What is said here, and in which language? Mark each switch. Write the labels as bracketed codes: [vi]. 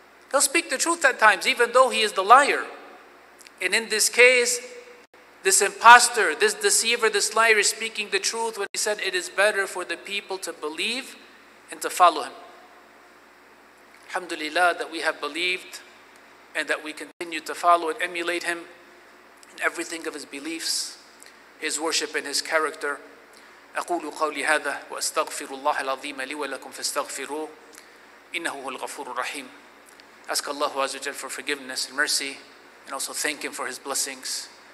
[en] He'll speak the truth at times, even though he is the liar. And in this case, this imposter, this deceiver, this liar is speaking the truth when he said it is better for the people to believe and to follow him. Alhamdulillah that we have believed and that we continue to follow and emulate him in everything of his beliefs, his worship and his character. [ar] أقول قولي هذا وأستغفر الله العظيم لي ولكم فاستغفروه إنه هو الغفور الرحيم. [en] Ask Allah Azza wa Jal for forgiveness and mercy, and also thank him for his blessings.